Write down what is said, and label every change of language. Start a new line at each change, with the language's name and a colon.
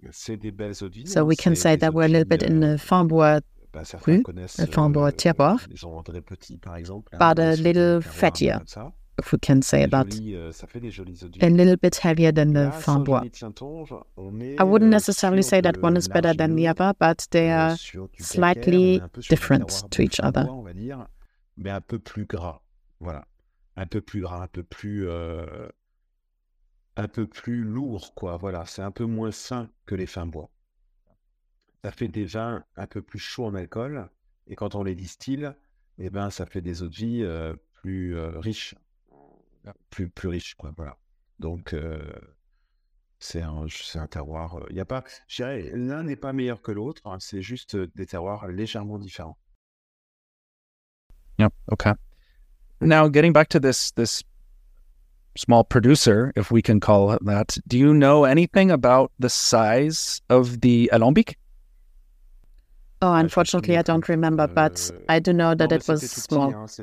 English: So we can say that we're a little bit in the Farmbois cru, the Farmbois terroir, but a little fattier, if we can say that. A little bit heavier than the Farmbois. I wouldn't necessarily say that one is better than the other, but they are slightly different to each other.
French: Mais un peu plus gras. Voilà. Un peu plus gras, un peu plus. un peu plus lourd, quoi. Voilà, c'est un peu moins sain que les fins bois. Ça fait des vins un peu plus chauds en alcool, et quand on les distille, eh ben, ça fait des eaux de vie plus riches. Plus riches, quoi, voilà. Donc, c'est un terroir. Il y a pas, je dirais, l'un n'est pas meilleur que l'autre, hein, c'est juste des terroirs légèrement différents.
English: Yeah, okay. Now, getting back to this small producer, if we can call it that, do you know anything about the size of the alambic? Oh, unfortunately, I don't remember, but I do know that it was small.